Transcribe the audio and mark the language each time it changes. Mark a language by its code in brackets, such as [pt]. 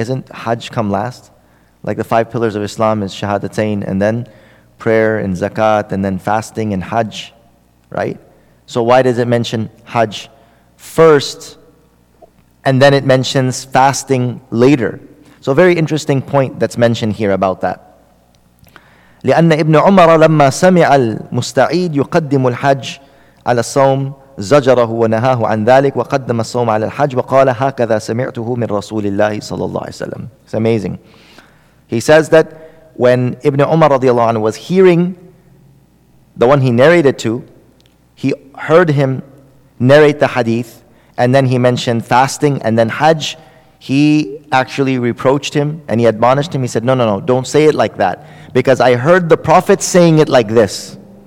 [en] Isn't hajj come last? Like the five pillars of Islam is shahadatain and then prayer and zakat and then fasting and hajj, right? So why does it mention hajj first and then it mentions fasting later? So a very interesting point that's mentioned here about that. [ar] لأن ابن عمر لما سمع المستعيد يقدم الحج على الصوم زجره ونهاه عن ذلك وقدم الصوم على الحج وقال هكذا سمعته من رسول الله صلى الله عليه وسلم. [en] It's amazing. He says that when Ibn Umar radiallahu anhu was hearing the one he narrated to, he heard him narrate the hadith and then he mentioned fasting and then hajj. He actually reproached him and he admonished him. He said, no, don't say it like that, because I heard the Prophet saying it like this.